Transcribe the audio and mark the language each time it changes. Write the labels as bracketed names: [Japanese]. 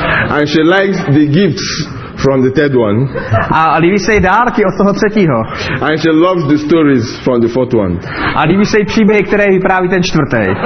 [English] And she likes the gifts from the third one. [Czech] A líbí se jí dárky od toho třetího. [English] And she loves the stories from the fourth one. [Czech] A líbí se jí příběhy, které vypráví ten čtvrtý.